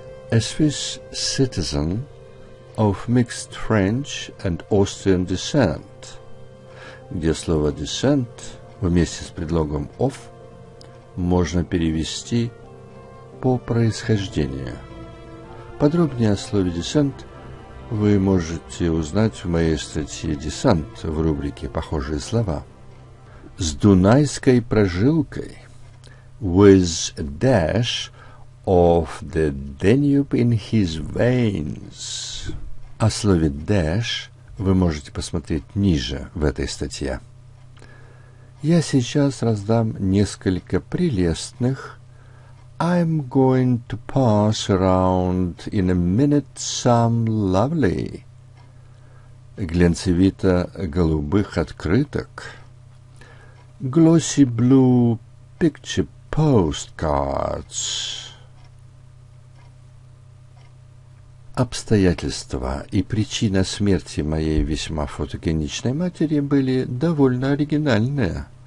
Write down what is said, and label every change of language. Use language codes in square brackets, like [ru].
[en] A Swiss citizen of mixed French and Austrian descent, [ru] где слово descent вместе с предлогом of можно перевести по происхождению. Подробнее о слове descent вы можете узнать в моей статье «Десант» в рубрике «Похожие слова». С дунайской прожилкой. [en] With a dash of the Danube in his veins. [ru] О слове dash вы можете посмотреть ниже в этой статье. Я сейчас раздам несколько прелестных. [en] I'm going to pass around in a minute some lovely. [ru] Глянцевито-голубых открыток. [en] Glossy blue picture postcards. [ru] Обстоятельства и причина смерти моей весьма фотогеничной матери были довольно оригинальные.